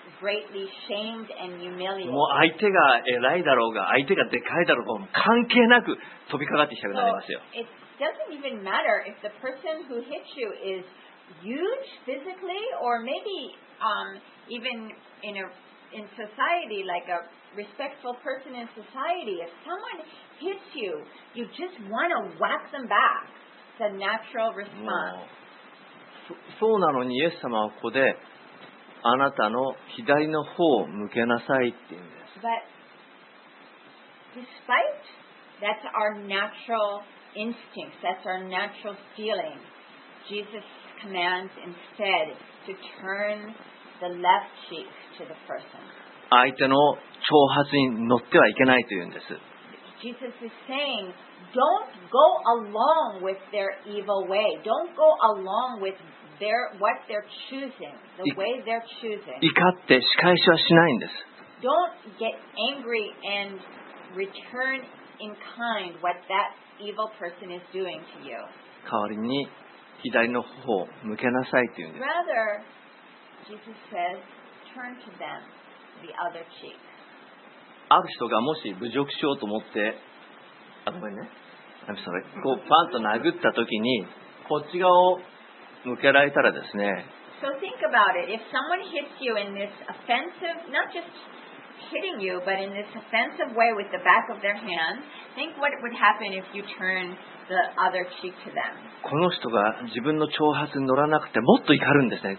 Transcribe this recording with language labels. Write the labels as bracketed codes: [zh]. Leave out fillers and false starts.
[en] Greatly shamed and humiliated. [ja] もう相手が偉いだろうが相手がでかいだろうが関係なく飛びかかってきたくなりますよ。 [en] So, it doesn't even matter if the person who hits you is huge physically or maybe even in society like a respectful person in society. If someone hits you, you just want to whack them back. It's a natural response. [ja] そうなのにイエス様はここであなたの左の方を向けなさいって言うんです。 [en] But despite that's our natural instincts, that's our natural feeling, Jesus commands instead to turn the left cheek to the person. [ja] 相手の挑発に乗ってはいけないというんです。 [en] Jesus is saying, don't go along with their evil way. Don't go along with their, what they're choosing, the way they're choosing. [ja] 怒って仕返しはしないんです。 [en] Don't get angry and return in kind what that evil person is doing to you. [ja] 代わりに左の方を向けなさいというんです。 [en] Rather, Jesus says, turn to them, the other cheek. [ja] ある人がもし侮辱しようと思って、あ、ごめんね。 [en] I'm sorry。 [ja] こう、パンと殴ったときに、こっち側を向けられたらですね。 [en] So think about it. If someone hits you in this offensive, not just hitting you, but in this offensive way with the back of their hand, think what would happen if you turn the other cheek to them. [ja] この人が自分の挑発に乗らなくて、もっと怒るんですね。